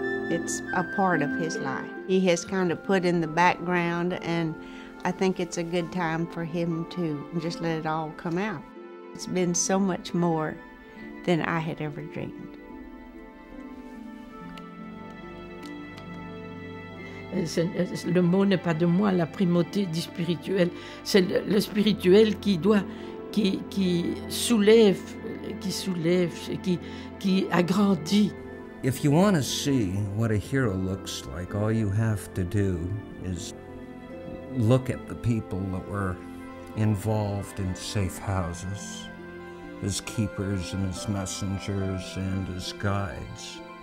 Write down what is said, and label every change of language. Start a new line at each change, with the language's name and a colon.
English: It's a part of his life. He has kind of put in the background, and I think it's a good time for him to just let it all come out. It's been so much more than I had ever dreamed.
French: Le mot n'est pas de moi, la primauté du spirituel. C'est le spirituel qui doit, qui soulève, qui agrandit.
English: If you want to see what a hero looks like, all you have to do is look at the people that were involved in safe houses, as keepers and as messengers and as guides.